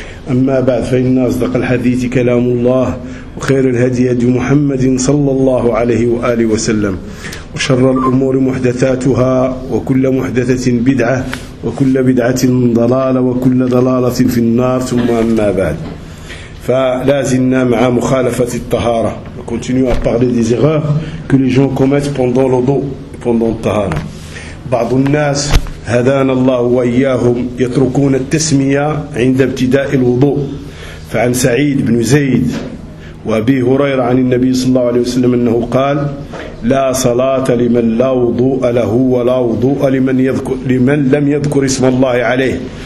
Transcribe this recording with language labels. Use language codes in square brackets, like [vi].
[ar] أما بعد، فإن أصدق الحديث كلام الله، وخير الهدي هدي محمد صلى الله عليه وآله وسلم، وشر الأمور محدثاتها، وكل محدثة بدعة، وكل بدعة ضلالة، وكل ضلالة في النار. ثم أما بعد، فلازلنا مع مخالفة الطهارة. [fr] continue à parler des erreurs que les gens commettent pendant l'eau pendant la tahara. [ar] بعض الناس هدانا الله وإياهم يتركون التسمية عند ابتداء الوضوء. فعن سعيد بن زيد وأبي هريرة عن النبي صلى الله عليه وسلم أنه قال: لا صلاة لمن لا وضوء له، ولا وضوء لمن لم يذكر اسم الله عليه.